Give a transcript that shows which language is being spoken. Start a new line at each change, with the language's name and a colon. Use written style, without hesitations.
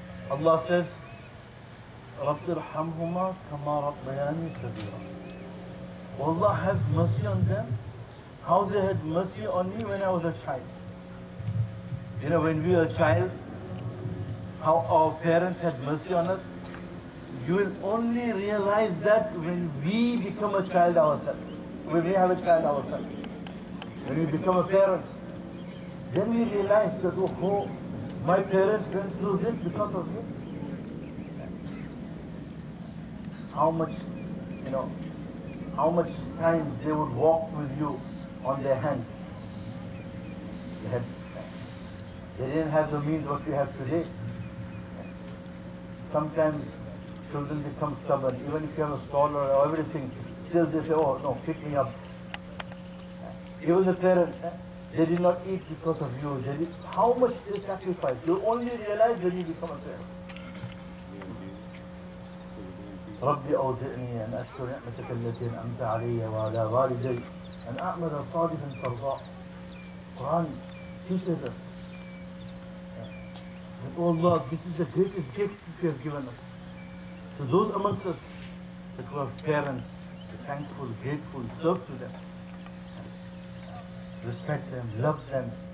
English: Allah says,
Arabic: رَبِّ رَحَمْهُمَا كَمَا رَبَّيَانِي سَبِيرًا.
English: Oh Allah, have mercy on them, how they had mercy on me when I was a child. You know, when we were a child, how our parents had mercy on us, You will only realize that when we become a child ourselves, when we have a child ourselves, when we become a parent, then we realize that, oh, my parents went through this because of this. How much, you know, how much time they would walk with you on their hands. They didn't have the means what we have today. Sometimes children become stubborn, even if you have a stroller or everything, still they say, oh no, pick me up. Even the parents, they did not eat because of you. They did, how much they sacrifice, you only realize when you become a parent.
Arabic: رَبِّ أَوْزِعْنِي أَنْ أَشْكُرْ نِعْمَتَكَ الَّتِي أَنْعَمْتَ عَلَيَّ وَعَلَى وَالِدَيَّ أَنْ أَعْمَلَ صَالِحًا تَرْضَاهُ.
English: Quran teaches us that, oh Allah, this is the greatest gift that you have given us. So those amongst us that who have parents, thankful, grateful, serve to them, respect them, love them.